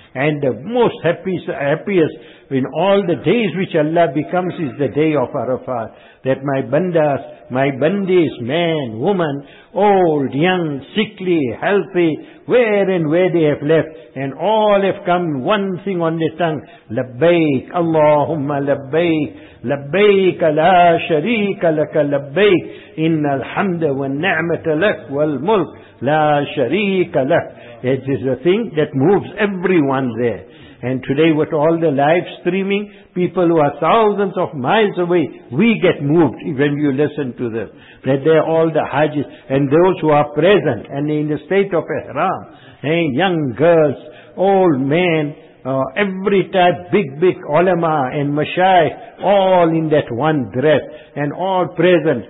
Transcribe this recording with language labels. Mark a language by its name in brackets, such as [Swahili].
[English] And the most happiest in all the days which Allah becomes is the day of Arafat. That my bandas, my bandis, man, woman, old, young, sickly, healthy, where and where they have left. And all have come one thing on their tongue. [Arabic] Labbaik, Allahumma labbaik. لبيك لا شريك لك لبيك إن الحمد والنعمة لك والملك لا شريك لك. [English] It is a thing that moves everyone there. And today with all the live streaming, people who are thousands of miles away, we get moved when you listen to them. That they are all the hajis. And those who are present and in the state of ihram, hey, young girls, old men, every type, big ulama and mashayikh, all in that one dress and all present.